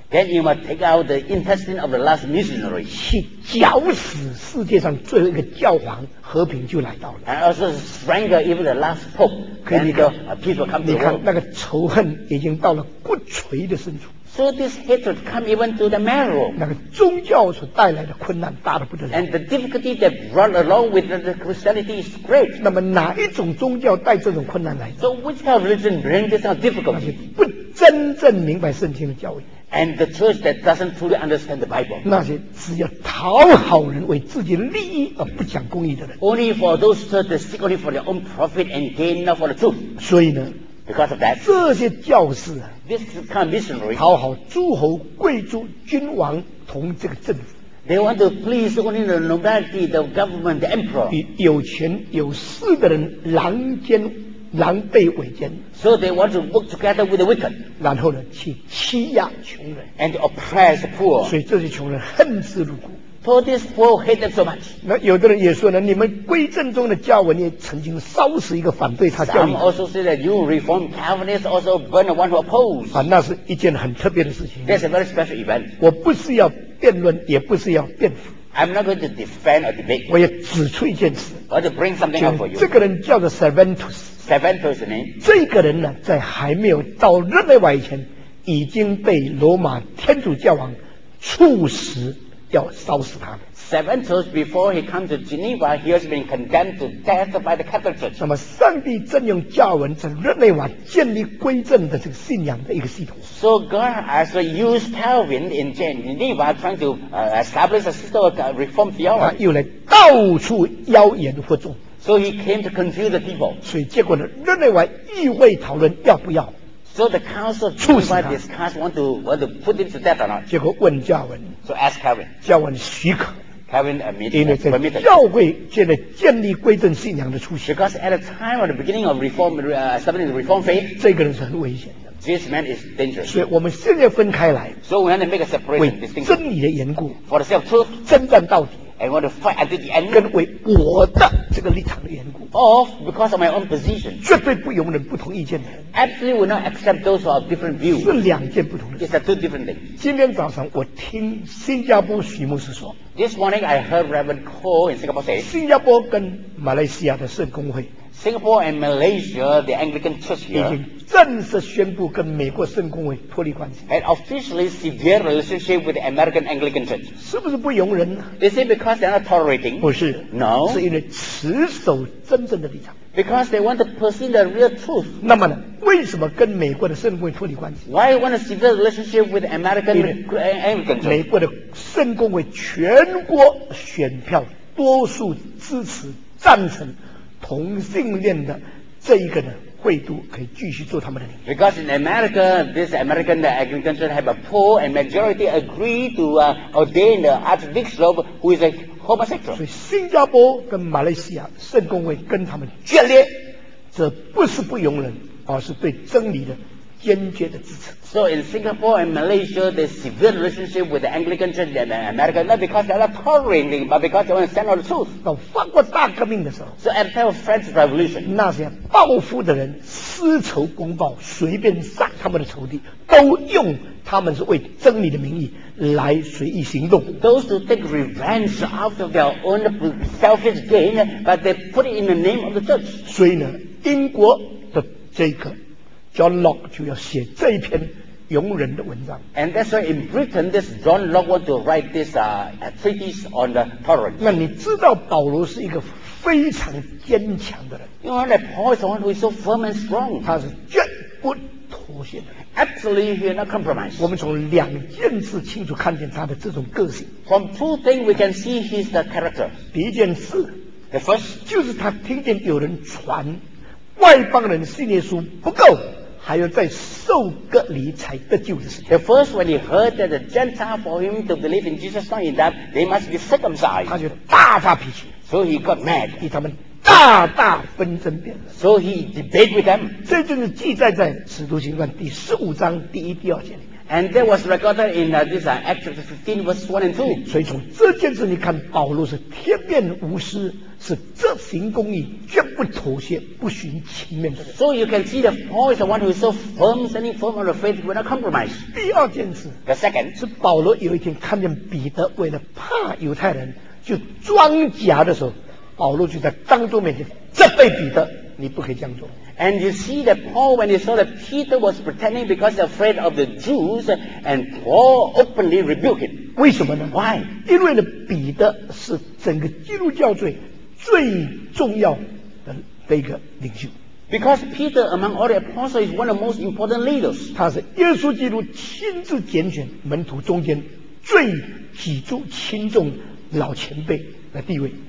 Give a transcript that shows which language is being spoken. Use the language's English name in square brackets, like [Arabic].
[English] Then you must take out the intestine of the last missionary. [Chinese] 去绞死世界上最后一个教皇，和平就来到了。 [English] And also strangle even the last pope. [Chinese] 可以的 [English] ，peace will come to the world. [Chinese] 你看那个仇恨已经到了骨髓的深处。 [English] So this hatred come even to the marrow. [Chinese] 那个宗教所带来的困难大得不得了。 [English] And the difficulty that run along with the Christianity is great. [Chinese] 那么哪一种宗教带这种困难来的 [English] ？So which kind of religion bring this kind of difficulty? [Chinese] 那些不真正明白圣经的教义。 [English] And the church that doesn't truly understand the Bible. [Chinese] 那些只要讨好人为自己利益而不讲公义的人。 [English] Only for those church that seek only for their own profit and gain not for the truth. [Chinese] 所以呢 [English] ，Because of that, [Chinese] 这些教士啊。 [English] This kind of missionary, [Chinese] 讨好诸侯、贵族、君王同这个政府。 [English] They want to please only the nobility, the government, the emperor. [Chinese] 与有钱有势的人狼奸、狼狈为奸。 [English] So they want to work together with the wicked. [Chinese] 然后呢，去欺压穷人。 [English] And oppress the poor. [Chinese] 所以这些穷人恨之入骨。 [English] So this poor hate them so much. [Chinese] 那有的人也说呢，你们归正宗的教文也曾经烧死一个反对他教义。 [English] Some also say that you reformed Calvinists also burned one who opposed. [Chinese] 啊，那是一件很特别的事情。 [English] That's a very special event. [Chinese] 我不是要辩论，也不是要辩护。 [English] I'm not going to defend or debate. [Chinese] 我要指出一件事。 [English] Or to bring something up for you. [Chinese] 这个人叫做 Serventus. [English] Serventus name. [Chinese] 这个人呢，在还没有到日内瓦以前，已经被罗马天主教王处死。要烧死他们。 [English] Serventus, before he comes to Geneva, he has been condemned to death by the Catholic Church. [Chinese] 那么，上帝正用教文在日内瓦建立归正的这个信仰的一个系统。 [English] So God has used Calvin in Geneva trying to establish a system of reform theology. [Chinese] 他又来到处妖言惑众。 [English] So he came to confuse the people. [Chinese] 所以结果呢，日内瓦议会讨论要不要。 [English] So the council of Geneva discussed want to put him to death or not. [Chinese] 结果问教文。 [English] So ask Calvin. [Chinese] 教文许可。 [English] Calvin admitted. [Chinese] 因为在教会建立归正信仰的初心。 [English] Because at the time of the beginning of reform, establishing the reform faith, [Chinese] 这个人是很危险的。 [English] This man is dangerous. [Chinese] 所以我们现在分开来。 [English] So we have to make a separation. [Chinese] 真理的缘故。 [English] For the sake of truth. [Chinese] 征战到底。 [English] I want to fight until the end. [Chinese] 因为我的这个立场的缘故。 [English] Or because of my own position. [Chinese] 绝对不容忍不同意见的。 [English] Absolutely will not accept those who have different views. [Chinese] 是两件不同的事。 [English] It's a two different things. [Chinese] 今天早上我听新加坡徐牧师说。 [English] This morning I heard Reverend Koh in Singapore say. [Chinese] 新加坡跟马来西亚的圣公会。 [English] Singapore and Malaysia, the Anglican Church here, [Chinese] 已经正式宣布跟美国圣公会脱离关系。 [English] Had officially severed relationship with the American Anglican Church. [Chinese] 是不是不容忍呢？ [English] Is it because they are not tolerating? [Chinese] 不是。 [English] No. [Chinese] 是因为持守真正的立场。 [English] Because they want to pursue the real truth. [Chinese] 那么呢？为什么跟美国的圣公会脱离关系？ [English] Why want a severe relationship with American Anglican Church? [Chinese] 美国的圣公会全国选票多数支持赞成。同性恋的这一个呢，会都可以继续做他们的领。 [English] Because in America, this American Anglican Church have a poll and majority agree to ordain the Archbishop who is a homosexual. [Chinese] 所以新加坡跟马来西亚圣公会跟他们决裂，这不是不容忍，而是对真理的坚决的支持。 [English] So in Singapore and Malaysia, the severe relationship with the Anglican Church and America, not because they are not tolerating, but because they want to stand on the truth. [Chinese] 到法国大革命的时候 [English] ，So at the time of French Revolution, [Chinese] 那些报复的人私仇公报，随便杀他们的仇敌，都用他们是为真理的名义来随意行动。 [English] Those who take revenge out of their own selfish gain, but they put it in the name of the church. [Chinese] 所以呢，英国的这个。John Locke 就要写这一篇容忍的文章。 [English] And that's why in Britain, this John Locke wants to write this treatise on the tolerance. [Chinese] 那你知道保罗是一个非常坚强的人。 [English] You know that Paul is one who is so firm and strong. [Chinese] 他是绝不妥协的。 [English] Absolutely, he will not compromise. [Chinese] 我们从两件事清楚看见他的这种个性。 [English] From two things, we can see his character. [Chinese] 第一件事 [English] ，the first [Chinese] 就是他听见有人传。外邦人信耶稣不够，还要再受隔离才得救的事情。 [English] The first when he heard that the Gentile for him to believe in Jesus not enough, they must be circumcised. [Chinese] 他就大发脾气 [English] ，so he got mad. [Chinese] 与他们大大纷争辩论 [English] ，so he debated with them. [Chinese] 这就是记载在《使徒行传》第十五章第一、第二节里面。 [English] And that was recorded in this Acts 15 verse 1 and 2. [Chinese] 所以从这件事你看，保罗是铁面无私。是执行公义，绝不妥协，不寻情面的人。 [English] So you can see that Paul is the one who is so firm, standing firm on the faith, will not compromise. [Chinese] 第二件事 [English] ，The second [Chinese] 是保罗有一天看见彼得为了怕犹太人就装假的时候，保罗就在当众面前责备彼得，你不可以这样做。 [English] And you see that Paul, when he saw that Peter was pretending because he's afraid of the Jews, and Paul openly rebuked him. [Chinese] 为什么呢 [English] ？Why？ [Chinese] 因为呢，彼得是整个基督教罪。最重要的这个领袖 [English] ，because Peter among all the apostles is one of the most important leaders. [Chinese] 他是耶稣基督亲自拣选门徒中间最举足轻重老前辈的地位。